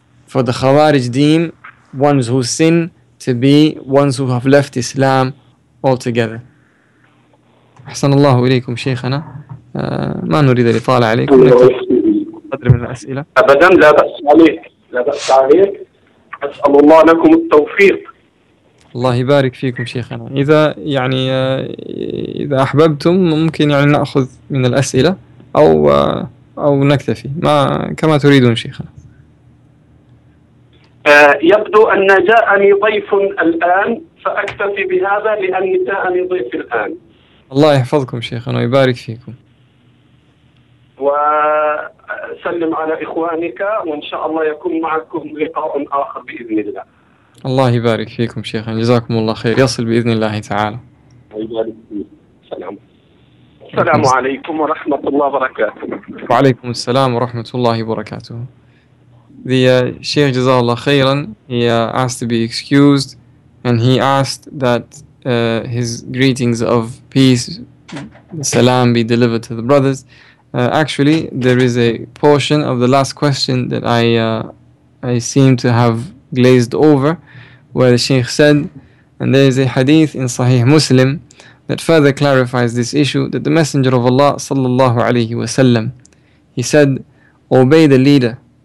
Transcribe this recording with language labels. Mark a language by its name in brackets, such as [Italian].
[English] For the Khawarij deem ones who sin to be ones who have left Islam altogether. [Arabic] أحسن الله إليكم شيخنا ما نريد الإطالة عليكم قدر من الأسئلة أبداً لا بأس عليك أسأل الله لكم التوفيق الله يبارك فيكم شيخنا إذا يعني إذا أحببتم ممكن يعني نأخذ من الأسئلة أو نكتفي ما كما تريدون شيخنا يبدو أن جاءني ضيف الآن فأكتفي بهذا لأني جاءني ضيف الآن الله يحفظكم شيخنا ويبارك فيكم وسلم على إخوانك وإن شاء الله يكون معكم لقاء آخر بإذن الله الله يبارك فيكم شيخنا جزاكم الله خير يصل بإذن الله تعالى يبارك فيكم السلام عليكم ورحمة الله وبركاته وعليكم السلام ورحمة الله وبركاته [English] The Sheikh Jazallah Khairan, he asked to be excused and he asked that his greetings of peace, salam, be delivered to the brothers. Actually, there is a portion of the last question that I seem to have glazed over where the Sheikh said, and there is a hadith in Sahih Muslim that further clarifies this issue, that the Messenger of Allah sallallahu alayhi wa sallam, he said, obey the leader.